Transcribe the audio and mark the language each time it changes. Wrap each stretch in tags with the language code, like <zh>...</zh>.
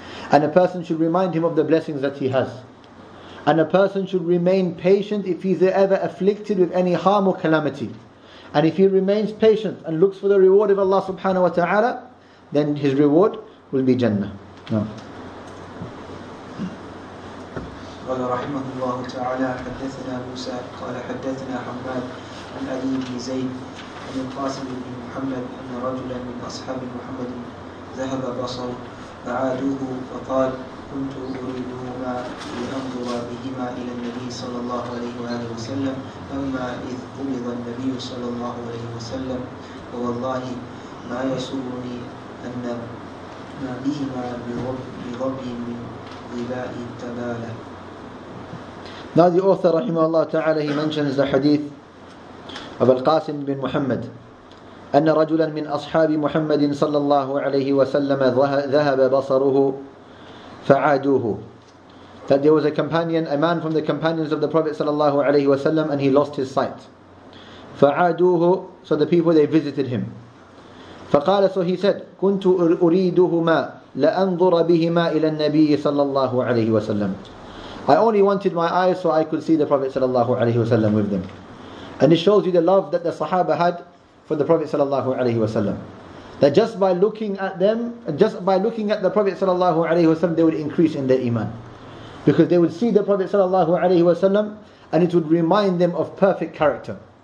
<en>And a person should remind him of the blessings that he has. And a person should remain patient if he's ever afflicted with any harm or calamity. And if he remains patient and looks for the reward of Allah subhanahu wa ta'ala, then his reward will be Jannah. No.</en> <ar>قال رحمه الله تعالى حدثنا موسى قال حدثنا حماد عن علي بن زيد عن القاسم بن محمد ان رجلا من اصحاب محمد ذهب بصر فعادوه فقال كنت اريدهما لانظر بهما الى النبي صلى الله عليه واله وسلم اما اذ قبض النبي صلى الله عليه وسلم فوالله ما يسرني ان ما بهما بربي من غباء التباله.</ar> <en>Now the author rahimahullah ta'ala, he mentions the hadith of Al-Qasim bin Muhammad.</en> <ar>أن رجلا من أصحاب محمد صلى الله عليه وسلم ذهب بصره فعادوه.</ar> <en>That there was a companion, a man from the companions of the Prophet</en> <ar>صلى الله عليه وسلم,</ar> <en>and he lost his sight.</en> <ar>فعادوه,</ar> <en>so the people they visited him.</en> <ar>فقال,</ar> <en>so he said,</en> <ar>كنت أريدهما لأنظر بهما إلى النبي صلى الله عليه وسلم.</ar> <en>I only wanted my eyes so I could see the Prophet sallallahu alaihi wasallam with them. And it shows you the love that the Sahaba had for the Prophet sallallahu alaihi wasallam. That just by looking at them, just by looking at the Prophet sallallahu alaihi wasallam, they would increase in their iman. Because they would see the Prophet sallallahu alaihi wasallam and it would remind them of perfect character.</en>